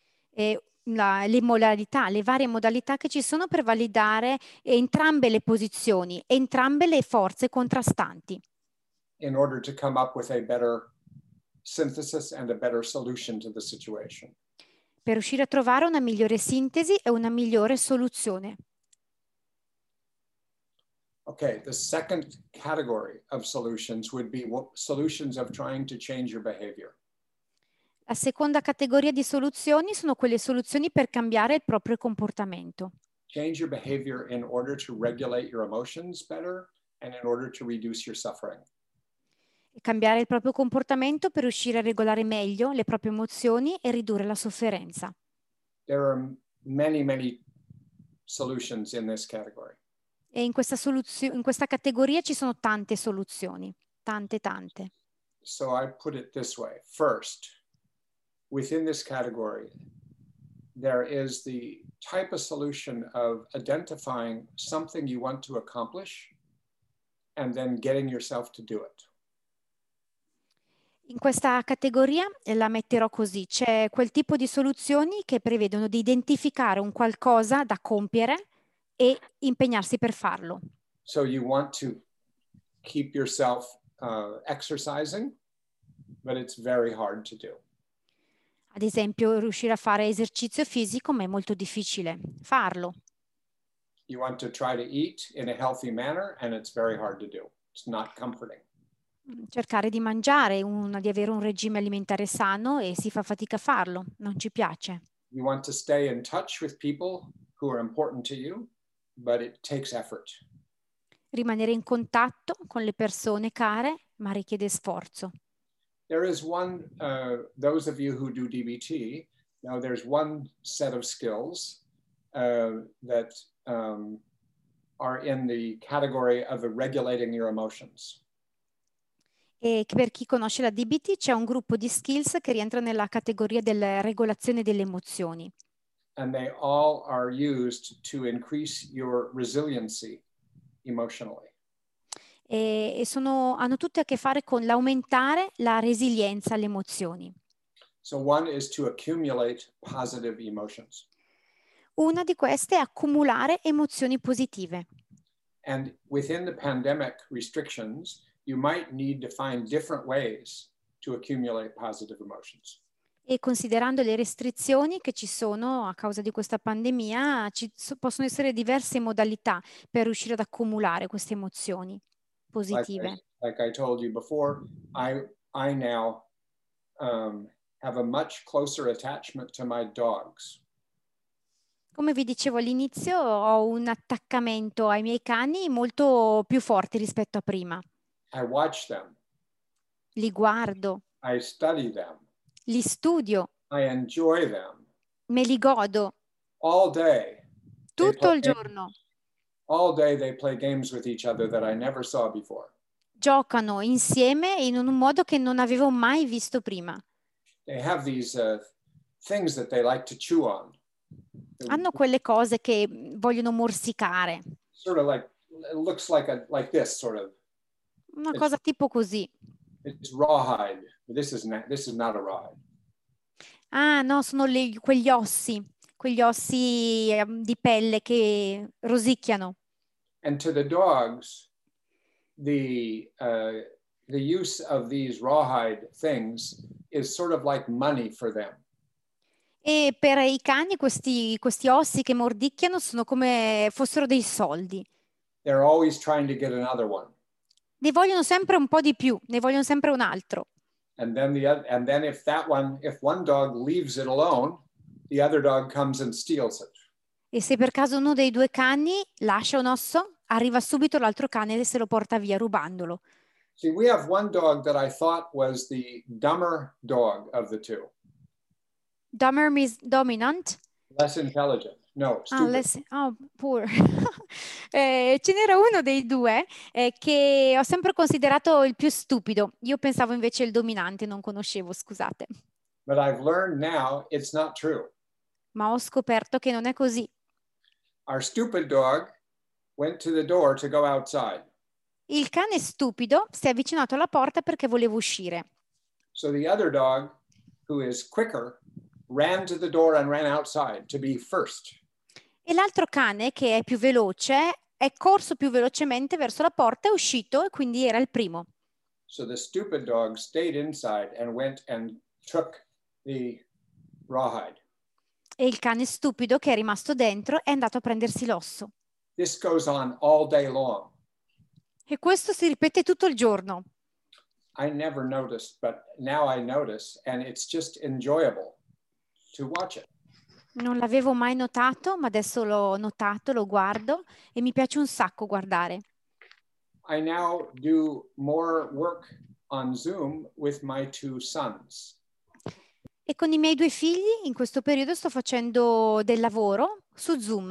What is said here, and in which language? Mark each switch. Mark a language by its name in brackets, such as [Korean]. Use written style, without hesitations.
[Italian] E le modalità, le varie modalità che ci sono per validare entrambe le posizioni, entrambe le forze contrastanti. [English] In order to come up with a better synthesis and a better solution to the situation. [Italian] Per riuscire a trovare una migliore sintesi e una migliore soluzione. [English] Okay, the second category of solutions would be solutions of trying to change your behavior. [Italian] La seconda categoria di soluzioni sono quelle soluzioni per cambiare il proprio comportamento. [English] Change your behavior in order to regulate your emotions better and in order to reduce your suffering. [Italian] cambiare il proprio comportamento per riuscire a regolare meglio le proprie emozioni e ridurre la sofferenza. [English] There are many, many solutions in this category. [Italian] E in questa categoria ci sono tante soluzioni, tante. [English] So I put it this way. First, within this category, there is the type of solution of identifying something you want to accomplish and then getting yourself to do it. [Italian] In questa categoria la metterò così. C'è quel tipo di soluzioni che prevedono di identificare un qualcosa da compiere e impegnarsi per farlo. [English] So you want to keep yourself exercising, but it's very hard to do. [Italian] Ad esempio, riuscire a fare esercizio fisico, ma è molto difficile farlo. [English] You want to try to eat in a healthy manner, and it's very hard to do. It's not comforting. [Italian] Cercare di mangiare, di avere un regime alimentare sano e si fa fatica a farlo, non ci piace. [English] You want to stay in touch with people who are important to you, but it takes effort. [Italian] Rimanere in contatto con le persone care, ma richiede sforzo. [English] There is one, those of you who do DBT, now there's one set of skills that are in the category of regulating your emotions. [Italian] E per chi conosce la DBT c'è un gruppo di skills che rientra nella categoria della regolazione delle emozioni. [English] And they all are used to increase your resiliency emotionally. [Italian] Hanno tutte a che fare con l'aumentare la resilienza alle emozioni. [English] So one is to accumulate positive emotions. [Italian] Una di queste è accumulare emozioni positive. [English] And within the pandemic restrictions, you might need to find different ways to accumulate positive emotions. [Italian] E considerando le restrizioni che ci sono a causa di questa pandemia, possono essere diverse modalità per riuscire ad accumulare queste emozioni positive. [English] Like I told you before, I now have a much closer attachment to my dogs. [Italian] Come vi dicevo all'inizio, ho un attaccamento ai miei cani molto più forte rispetto a prima. [English] I watch them. [Italian] Li guardo. [English] I study them. [Italian] Li studio. [English] I enjoy them. [Italian] Me li godo. [English] All day. [Italian] Tutto il giorno. [English] All day they play games with each other that I never saw before. [Italian] Giocano insieme in un modo che non avevo mai visto prima. [English] They have these things that they like to chew on. [Italian] Hanno quelle cose che vogliono morsicare. [English] Sort of like, it looks like like this sort of. [Italian] Una cosa tipo così. [English] It's rawhide. This is not a rawhide. [Italian] Ah, no, sono quegli ossi di pelle che rosicchiano. [English] And to the dogs, the use of these rawhide things is sort of like money for them. [Italian] E per i cani questi ossi che mordicchiano sono come fossero dei soldi. [English] They're always trying to get another one. [Italian] Ne vogliono sempre un po' di più, ne vogliono sempre un altro. [English] And then if one dog leaves it alone, the other dog comes and steals it. [Italian] E se per caso uno dei due cani lascia un osso, arriva subito l'altro cane e se lo porta via rubandolo. [English] See, we have one dog that I thought was the dumber dog of the two. Dumber means dominant. Less intelligent. No, stupid. Poor. [Italian] ce n'era uno dei due che ho sempre considerato il più stupido. Io pensavo invece il dominante, non conoscevo, scusate. [English] But I've learned now it's not true. [Italian] Ma ho scoperto che non è così. [English] Our stupid dog went to the door to go outside. [Italian] Il cane stupido si è avvicinato alla porta perché voleva uscire. [English] So the other dog, who is quicker, ran to the door and ran outside to be first. [Italian] E l'altro cane, che è più veloce, è corso più velocemente verso la porta, è uscito e quindi era il primo. [English] So the stupid dog stayed inside and went and took the rawhide. [Italian] E il cane stupido, che è rimasto dentro, è andato a prendersi l'osso. [English] This goes on all day long. [Italian] E questo si ripete tutto il giorno. [English] I never noticed, but now I notice, and it's just enjoyable to watch it. [Italian] Non l'avevo mai notato, ma adesso l'ho notato, lo guardo e mi piace un sacco guardare. [English] I now do more work on Zoom with my two sons. [Italian] E con I miei due figli in questo periodo sto facendo del lavoro su Zoom.